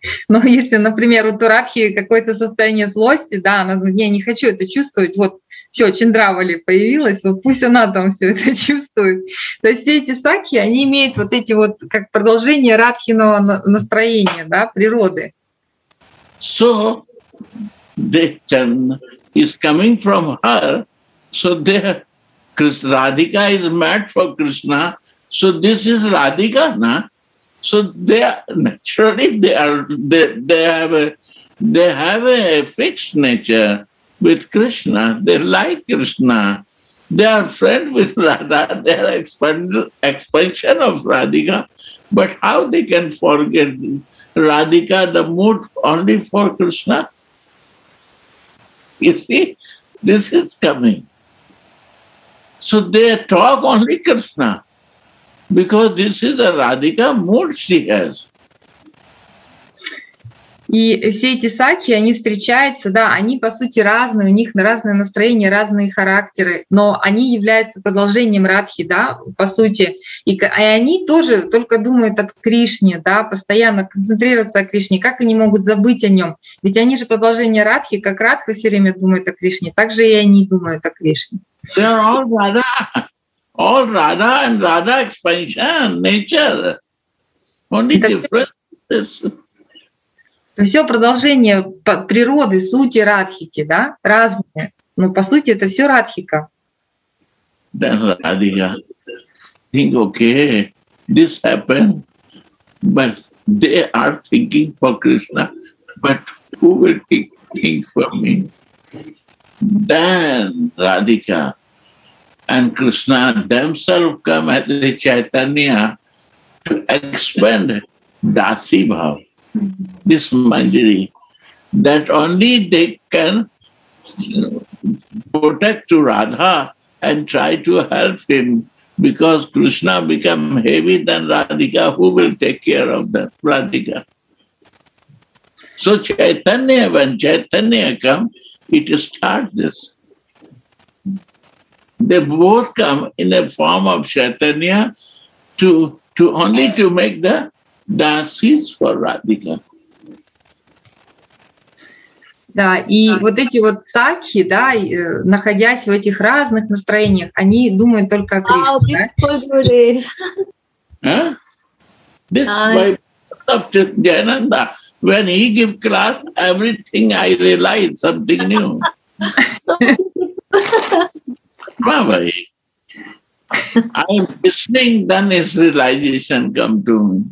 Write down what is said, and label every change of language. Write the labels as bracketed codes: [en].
[ru] Ну, если, например, у Турадхи какое-то состояние злости, да, она, не, не хочу это чувствовать, вот все, Чандравали появилась, вот пусть она там все это чувствует. То есть все эти сакхи, они имеют вот эти вот как продолжение радхиного настроения, да, природы. [en] So, Dechan is coming from her, so there. Radhika is mad for Krishna, so this is Radhika, na? So they are, naturally they have a fixed nature with Krishna. They like Krishna. They are friend with Radha. They are expansion of Radhika. But how they can forget Radhika, the mood only for Krishna? You see, this is coming. So they talk only Krishna, because this is the Radhika mood she has. [ru] И все эти сакхи, они встречаются, да, они по сути разные, у них разные настроения, разные характеры, но они являются продолжением Радхи, да, по сути. И они тоже только думают о Кришне, да, постоянно концентрируются о Кришне. Как они могут забыть о нем? Ведь они же продолжение Радхи, как Радха все время думает о Кришне, так же и они думают о Кришне. [en] They are all Radha and Radha expansion, nature. Only difference is. [ru] Это все продолжение природы, сути Радхики, да? Разные. Но по сути это все Радхика. [en] Then Radhika. Think, okay, this happened, but they are thinking for Krishna, but who will think for me? Then Radhika. And Krishna themselves come as the Chaitanya to expand Dasi Bhav, this Manjari, that only they can protect to Radha and try to help him, because Krishna become heavy than Radhika, who will take care of them? Radhika. So Chaitanya, when Chaitanya come, it starts this. They both come in a form of Chaitanya to only to make the dasis for Radhika. [ru] Да, и вот эти вот сакхи, да, находясь в этих разных настроениях, они думают только о Кришне, да? [en] This by after Jayananda, when he give class, everything I realize something new. Bhavai. I am listening, then his realization come to me.